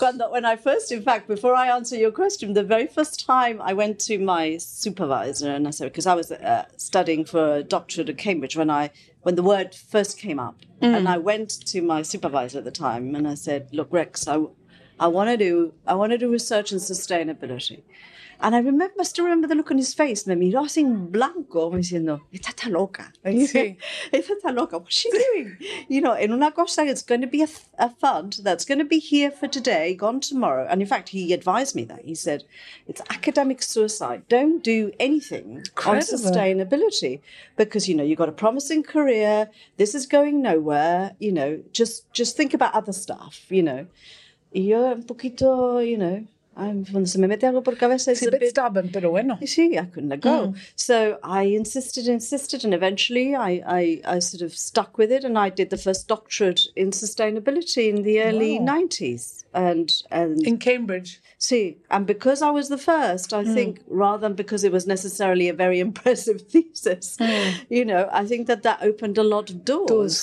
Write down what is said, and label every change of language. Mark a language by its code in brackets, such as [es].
[en] When I first, in fact, before I answer your question, the very first time I went to my supervisor, and I said, because I was studying for a doctorate at Cambridge when the word first came up, and I went to my supervisor at the time and I said, look, Rex, I want to do research and sustainability. And I remember, still remember the look on his face. [es] Me miró así en blanco, me diciendo, ¿estás loca? ¿Estás loca? [en] What's she doing? You know, [es] en una cosa, [en] it's going to be a fund that's going to be here for today, gone tomorrow. And in fact, he advised me that. He said, it's academic suicide. Don't do anything on sustainability. Because, you know, you've got a promising career. This is going nowhere. You know, just think about other stuff, you know. [es] Yo un poquito, [en] you know, [es] cuando se me mete algo por cabeza, [en] it's a bit stubborn, [es] pero bueno. [en] Sí, I couldn't let go. Mm. So I insisted, and eventually I sort of stuck with it, and I did the first doctorate in sustainability in the early 90s. And in Cambridge. Sí, and because I was the first, I think, rather than because it was necessarily a very impressive thesis, you know, I think that opened a lot of doors